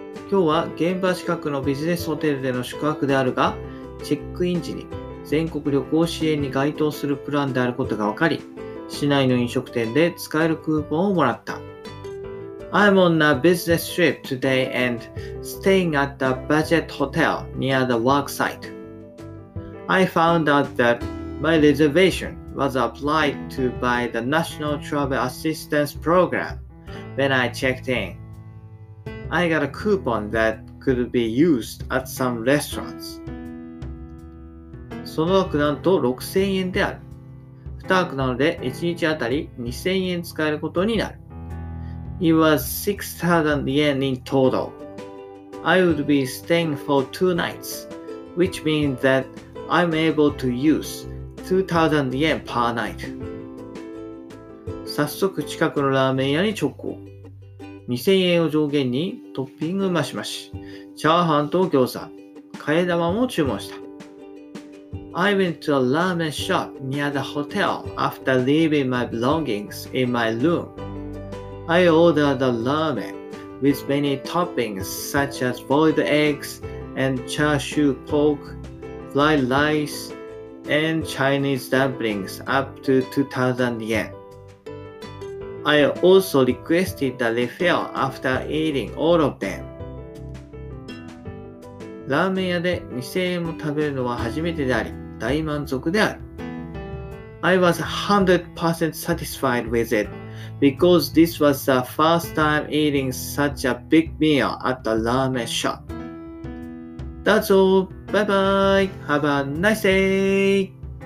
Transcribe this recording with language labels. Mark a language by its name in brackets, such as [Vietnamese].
[Japanese] 今日は現場近くのビジネスホテルでの宿泊であるが、チェックイン時に全国旅行支援に該当するプランであることが分かり、市内の飲食店で使えるクーポンをもらった。 [English] I'm on a business trip today and staying at the budget hotel near the work site. I found out that my reservation was applied to by the National Travel Assistance Program when I checked in. I got a coupon that could be used at some restaurants. [Japanese] その額なんと6000円である。2泊なので1日あたり2000円使えることになる。 [English] It was 6,000 yen in total. I would be staying for 2 nights, which means that I'm able to use 2,000 yen per night. [Japanese] 早速近くのラーメン屋に直行。2,000 円を上限にトッピングマシマシ、チャーハンと餃子、替え玉も注文した。 [English] I went to a ramen shop near the hotel after leaving my belongings in my room. I ordered a ramen with many toppings such as boiled eggs and char siu pork, fried rice, and Chinese dumplings up to 2,000 yen. I also requested the refill after eating all of them. [Japanese] ラーメン屋で2000円も食べるのは初めてであり、大満足である。 [English] I was 100% satisfied with it. Because this was the first time eating such a big meal at the ramen shop. That's all. Bye bye. Have a nice day.